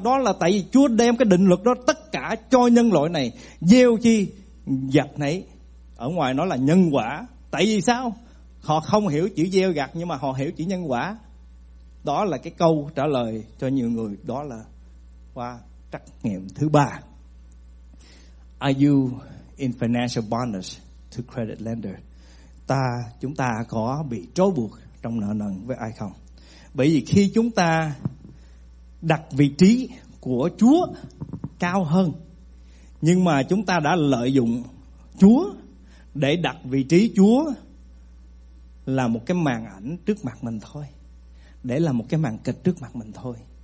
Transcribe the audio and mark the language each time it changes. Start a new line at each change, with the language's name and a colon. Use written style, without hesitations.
Vietnamese: Đó là tại vì Chúa đem cái định luật đó tất cả cho nhân loại này. Gieo chi gặt nấy. Ở ngoài nó là nhân quả. Tại vì sao? Họ không hiểu chữ gieo gặt, nhưng mà họ hiểu chữ nhân quả. Đó là cái câu trả lời cho nhiều người. Đó là qua trắc nghiệm thứ ba.
English: Are you in financial bondage to credit lender?
Vietnamese: Chúng ta có bị trói buộc trong nợ nần với ai không? Bởi vì khi chúng ta đặt vị trí của Chúa cao hơn, nhưng mà chúng ta đã lợi dụng Chúa để đặt vị trí Chúa là một cái màn ảnh trước mặt mình thôi, để là một cái màn kịch trước mặt mình thôi.